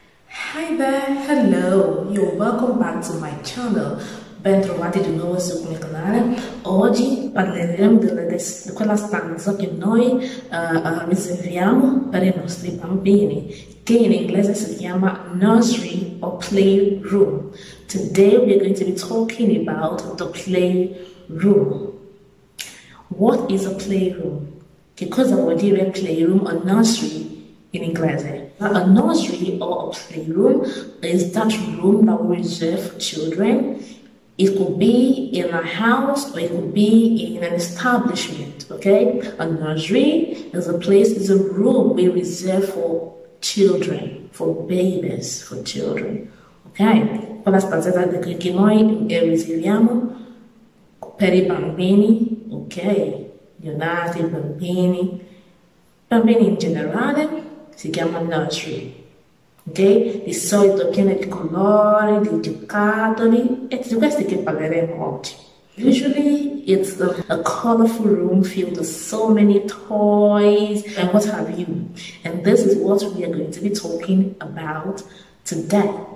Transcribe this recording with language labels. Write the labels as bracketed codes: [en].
[en] Hi there, hello, you're welcome back to my channel. [it] Ben trovati di nuovo sul mio canale. Oggi parleremo di quella stanza che noi riserviamo per i nostri bambini, che in inglese si chiama [en] nursery or playroom. Today we're going to be talking about the playroom. What is a playroom? [it] Che cosa vuol dire playroom o nursery? In inglese. [en] A nursery or a playroom is that room that we reserve for children. It could be in a house or it could be in an establishment. Okay? A nursery is a place, is a room we reserve for children, for babies, for children. Ok? [it] Quella stanza che noi riserviamo per i bambini, ok? Neonati, bambini in generale. Si chiama nursery, ok? Di solito piena di colori, di giocattoli, e di questi che parleremo oggi. [en] Usually it's a colorful room filled with so many toys and what have you. And this is what we are going to be talking about today.